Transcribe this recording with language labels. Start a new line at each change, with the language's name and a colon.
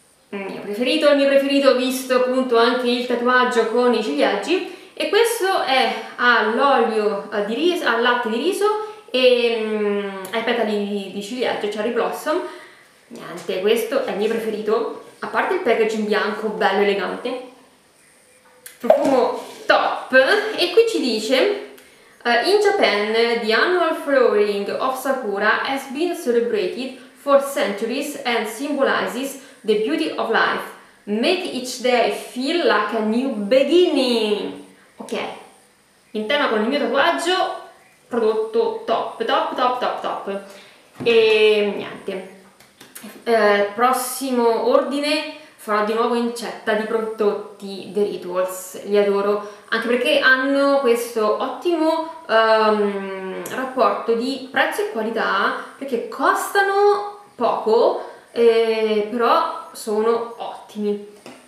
Italian: Il mio preferito, visto appunto anche il tatuaggio con i ciliegi. E questo è all'olio di riso, al latte di riso e ai petali di ciliegio, cherry blossom. Niente, questo è il mio preferito, a parte il packaging bianco, bello elegante. Profumo top, e qui ci dice:
English: in Japan, the annual flowering of Sakura has been celebrated for centuries and symbolizes the beauty of life. Make each day feel like a new beginning.
Italian: Ok, in tema con il mio tatuaggio, prodotto top, top, top, top, top. E niente, prossimo ordine farò di nuovo incetta di prodotti The Rituals, li adoro, anche perché hanno questo ottimo rapporto di prezzo e qualità, perché costano poco, però sono ottimi.